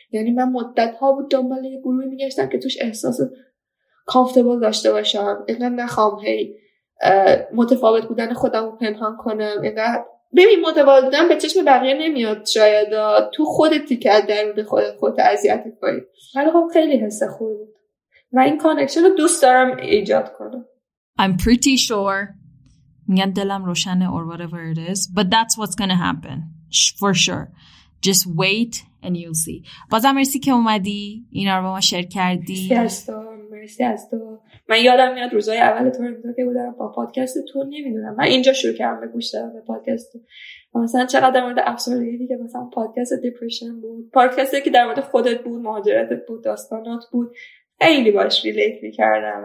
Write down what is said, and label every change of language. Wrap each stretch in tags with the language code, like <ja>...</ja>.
<fa>یعنی من مدت ها بود دنبال یه گروه میگشتم که توش احساس کامفتبل داشته باشم، اینقدر نخوام هی متفاوت بودن خودم رو پنهان کنم. اینقدر ببین متفاوت بودن به چشم بقیه نمیاد، شاید تو خودتی که درون خودت اذیت کنی، ولی خب خیلی حس خوبی بود و این کانکشن رو دوست دارم ایجاد کنم.</fa> <en>I'm pretty sure</en> <fa>میگن دلم روشنه</fa> <en>or whatever it is, but that's what's gonna happen for sure. Just wait and you'll see.</en> <fa>بازم مرسی که اومدی اینا رو با ما شیر کردی. مرسی از تو. من یادم میاد روزای اول تو رو که بودم با پادکست تو، نمیدونم من اینجا شروع کردم به گوش دادن به پادکست تو، مثلا چقدر در مورد افسردگی که مثلا پادکست دیپریشن بود، پادکستی که در مورد خودت بود، مهاجرتت بود، داستانات بود، خیلی باش ریلیت میکردم.</fa>